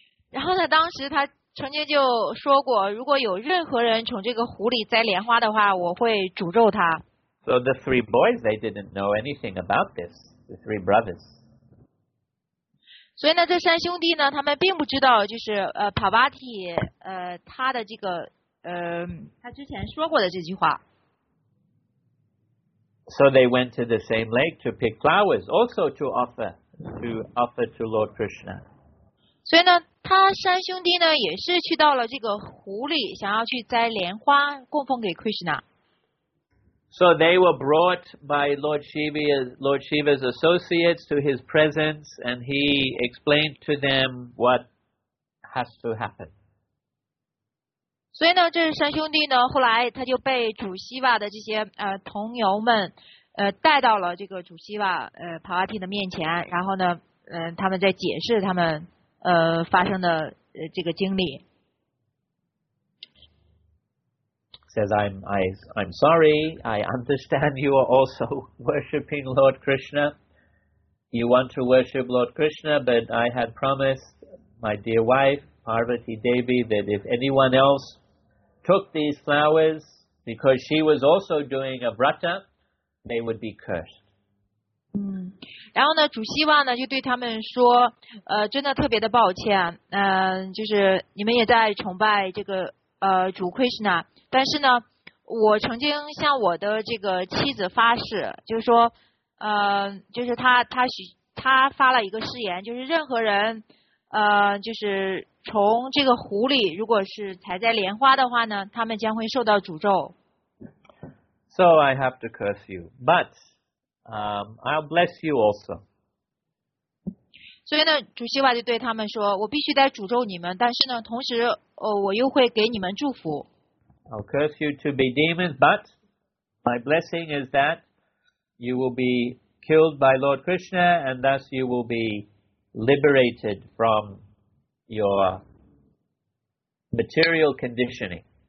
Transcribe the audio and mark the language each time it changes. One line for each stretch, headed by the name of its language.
Chinese: 然后呢，当时他曾经就说过，如果有任何人从这个湖里摘莲花的话，我会诅咒他。
English: So the three boys, they didn't know anything about this, the three brothers.
Chinese: 所以呢，这三兄弟呢，他们并不知道，就是Parvati 他的这个他之前说过的这句话。
English: So they went to the same lake to pick flowers, also to offer to Lord Krishna.
Chinese: 所以呢，他三兄弟呢也是去到了这个湖里，想要去摘莲花供奉给 Krishna。
English: So they were brought by Lord Shiva's associates to his presence, and he explained to them what has to happen.
Chinese: 所以呢，这三兄弟呢，后来他就被主希瓦的这些同游们带到了这个主希瓦帕瓦提的面前，然后呢，他们在解释他们发生的这个经历。
English: Says I'm sorry. I understand you are also worshiping Lord Krishna. You want to worship Lord Krishna, but I had promised my dear wife Parvati Devi that if anyone else took these flowers, because she was also doing a vrata, they would be cursed.
Chinese: 然后呢，主希望呢就对他们说，真的特别的抱歉，就是你们也在崇拜这个主 Krishna。但是呢，我曾经向我的这个妻子发誓，就是说，就是他发了一个誓言，就是任何人，就是从这个湖里，如果是采摘莲花的话呢，他们将会受到诅咒。
English: So I have to curse you, but I'll bless you also.
Chinese: 所以呢，主希瓦就对他们说，我必须得诅咒你们，但是呢，同时，我又会给你们祝福。
English: I'll curse you to be demons, but my blessing is that you will be killed by Lord Krishna, and thus you will be liberated from your material conditioning.